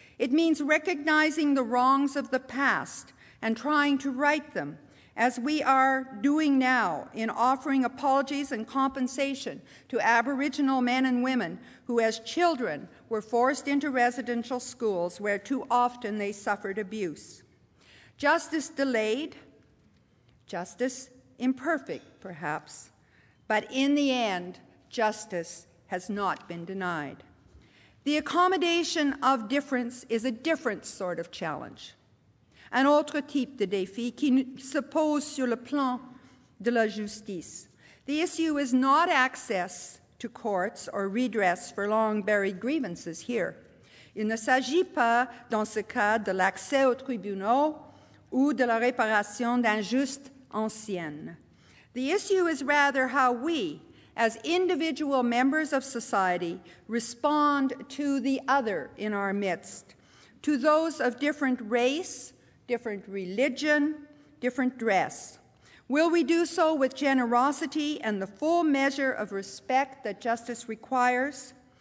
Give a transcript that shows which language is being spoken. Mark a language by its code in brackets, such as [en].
[en] It means recognizing the wrongs of the past and trying to right them, as we are doing now in offering apologies and compensation to Aboriginal men and women who, as children, were forced into residential schools where too often they suffered abuse. Justice delayed, justice imperfect, perhaps, but in the end, justice has not been denied. The accommodation of difference is a different sort of challenge. [fr] un autre type de défi qui se pose sur le plan de la justice. [en] The issue is not access to courts or redress for long buried grievances here. [fr] Il ne s'agit pas, dans ce cas, de l'accès aux tribunaux ou de la réparation d'injustes anciennes. [en] The issue is rather how we, as individual members of society, respond to the other in our midst, to those of different race, different religion, different dress. Will we do so with generosity and the full measure of respect that justice requires?